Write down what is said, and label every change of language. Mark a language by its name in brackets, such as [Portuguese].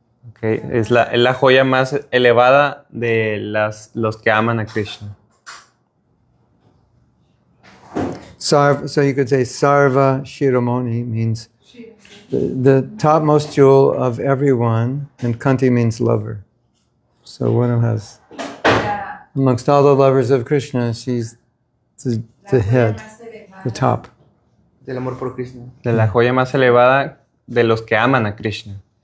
[Spanish] Okay, es la joya más elevada de los que aman a Krishna. [English] So you could say Sarva Shiromoni means the topmost jewel of everyone, and Kanti means lover. So one who has, amongst all the lovers of Krishna, she's the head. The top. [Spanish] Del amor por Krishna. De la joya más elevada de los que aman a Krishna.